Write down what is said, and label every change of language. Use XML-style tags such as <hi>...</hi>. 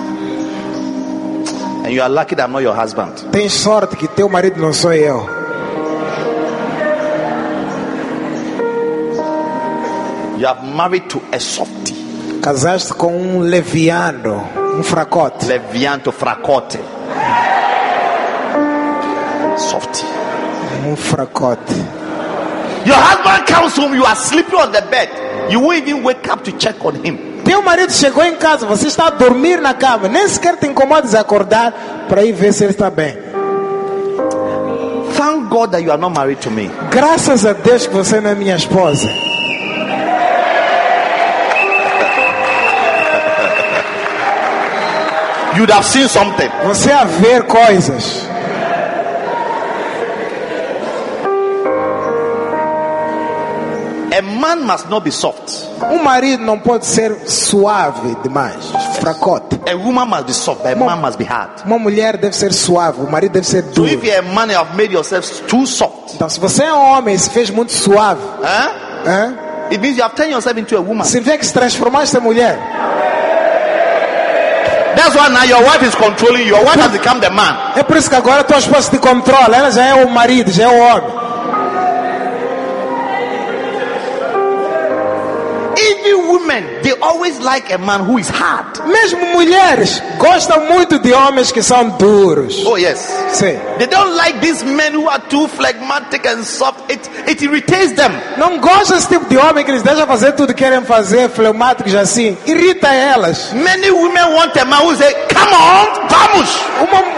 <en>And you are lucky that I'm not your husband.</en> <pt>Tem sorte que teu marido não sou eu.</pt> <en>You have married to a softy.</en> <pt>Casaste com um leviano, um fracote. Leviano fracote.</pt> <en>Softy.</en> <pt>Um fracote.</pt> <en>Your husband comes home, you are sleeping on the bed. You won't even wake up to check on him.</en> <pt>Teu marido chegou em casa, você está a dormir na cama, nem sequer te incomodas a acordar para ir ver se ele está bem.</pt> <en>Thank God that you are not married to me.</en> <pt>Graças a Deus que você não é minha esposa.</pt> <en>You'd have seen something.</en> <pt>Você ia ver coisas.</pt> <en>A man must not be soft.</en> <pt>Um marido não pode ser suave demais, fracote.</pt> <en>A woman must be soft, but a man must be hard.</en> <pt>Uma mulher deve ser suave, o marido deve ser duro.</pt> <en>So if you're a man, you have made yourself too soft.</en> <pt>Então, se você é um homem, se fez muito suave.</pt> <en>It means you have turned yourself into a woman.</en> <pt>Significa que se transformaste em mulher.</pt> <en>That's why now your wife is controlling you. Your wife has become the man.</en> <pt>É por isso que agora tua esposa te controla. Ela já é o marido, já é o homem.</pt> <en>Women, they always like a man who is hard.</en> <pt>Mesmo mulheres gostam muito de homens que são duros.</pt> <en>Oh yes.</en> <pt>Sim.</pt> <en>They don't like these men who are too phlegmatic and soft. It irritates them.</en> <pt>Não gostam desse tipo de homem que eles deixam fazer tudo que querem fazer, phlegmáticos assim. Irrita elas.</pt> <en>Many women want a man who say, "Come on,</en> <pt>vamos."</pt>